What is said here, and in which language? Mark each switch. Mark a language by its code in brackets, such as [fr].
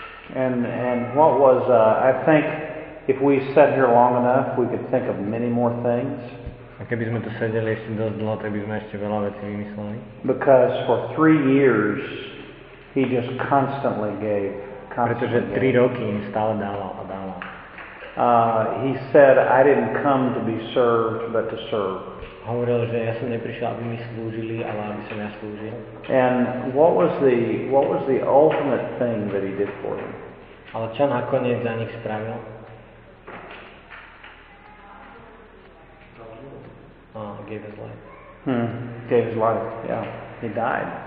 [en] And what was I think if we sat here long enough we could think of many more things. [sk] A keby sme tu sedeli ešte dosť dlho, tak by sme ešte veľa vecí vymysleli. [en] Because for 3 years he just constantly gave. [sk] Pretože 3 roky im stále dával a dával. [en] He said I didn't come to be served but to serve. [sk] Hovoril, že ja som neprišiel, aby mi slúžili, ale aby som ja slúžil. [en] And what was the ultimate thing that he did for them? [sk] Ale čo nakoniec za nich spravil? [en] Gave his life. Gave his life, yeah. He died.